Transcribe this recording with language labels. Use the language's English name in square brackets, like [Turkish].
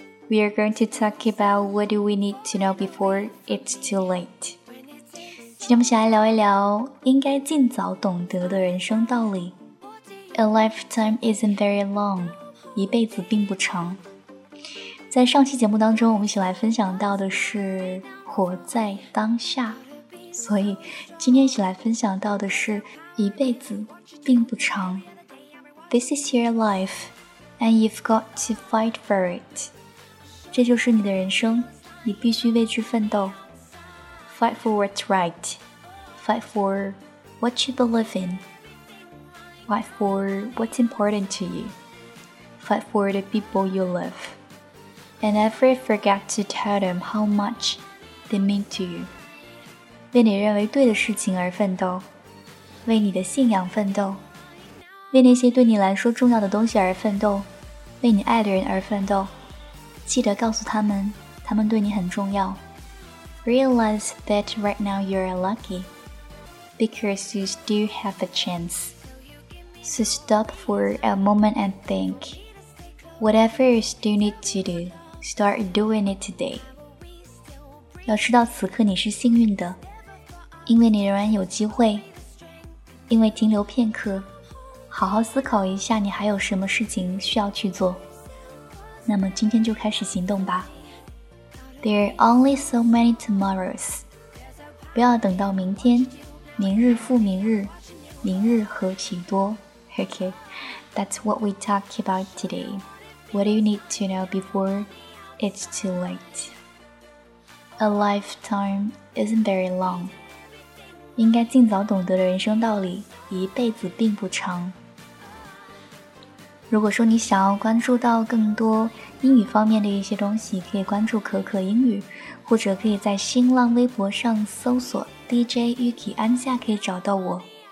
[English] We are going to talk about what do we need to know before it's too late. [Chinese] 今天我们想来聊一聊应该尽早懂得的人生道理。 [English] A lifetime isn't very long. [Chinese] 一辈子并不长。在上期节目当中我们一起来分享到的是活在当下。所以今天一起来分享到的是一辈子并不长。 [English] This is your life, and you've got to fight for it. [Chinese] 这就是你的人生，你必须为之奋斗。 [English] Fight for what's right. Fight for what you believe in. Fight for what's important to you. Fight for the people you love. And never forget to tell them how much they mean to you. [Chinese] 为你认为对的事情而奋斗，为你的信仰奋斗。为那些对你来说重要的东西而奋斗，为你爱的人而奋斗，记得告诉他们，他们对你很重要。 Realize that right now you're lucky, because you still have a chance. So stop for a moment and think. Whatever you still need to do, start doing it today. 要知道此刻你是幸运的，因为你仍然有机会，因为停留片刻。好好思考一下你还有什么事情需要去做。那么今天就开始行动吧。 [English] There are only so many tomorrows. [Chinese] 不要等到明天，明日复明日，明日何其多。 [English] Okay, that's what we talk about today. What do you need to know before it's too late? A lifetime isn't very long. [Chinese] 应该尽早懂得的人生道理，一辈子并不长。如果说你想要关注到更多英语方面的一些东西，可以关注可可英语，或者可以在新浪微博上搜索 DJ Yuki 安夏，可以找到我。